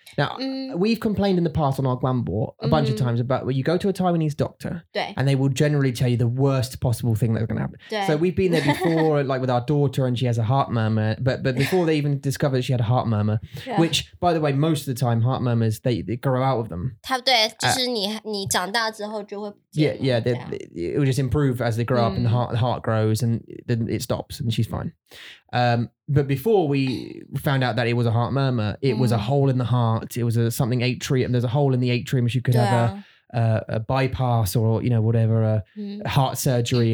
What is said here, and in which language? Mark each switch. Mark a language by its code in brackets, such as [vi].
[en] Now, we've complained in the past on our Guanbo a bunch of times about where you go to a Taiwanese doctor and they will generally tell you the worst possible thing that's going to happen. So we've been there before, like with our daughter and she has a heart murmur, but before they even discovered she had a heart murmur, which, by the way, most of the time, heart murmurs, they grow out of them. [zh] 对,就是你长大之后就会... [en] Yeah, it will just improve as they grow up and the heart grows and then it stops and she's fine. But before we found out that it was a heart murmur, it was a hole in the heart. It was something atrium. There's a hole in the atrium. She could have a bypass or, you know, whatever, a heart surgery.